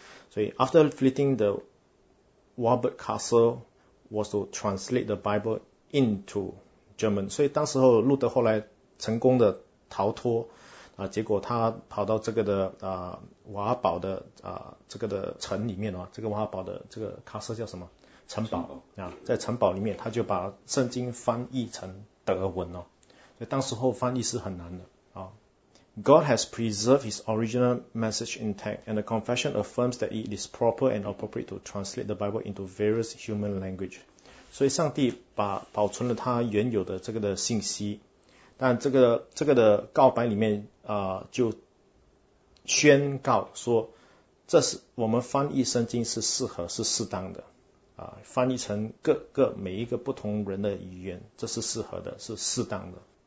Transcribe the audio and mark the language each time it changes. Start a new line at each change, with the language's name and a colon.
English: 所以 After fleeting the Warburg Castle was to translate the Bible into German。
Chinese: 所以当时候路德后来成功的逃脱。结果他跑到这个的瓦堡的这个的城里面这个瓦堡的这个卡斯叫什么？城堡在城堡里面，他就把圣经翻译成德文所以当时候翻译是很难的
English: God has preserved his original message intact, and the confession affirms that it is proper and appropriate to translate the Bible into various human language.
Chinese: 所以上帝保存了他原有的这个的信息。但这个的告白里面就宣告说，这是我们翻译圣经是适合是适当的翻译成各每一个不同人的语言，这是适合的是适当的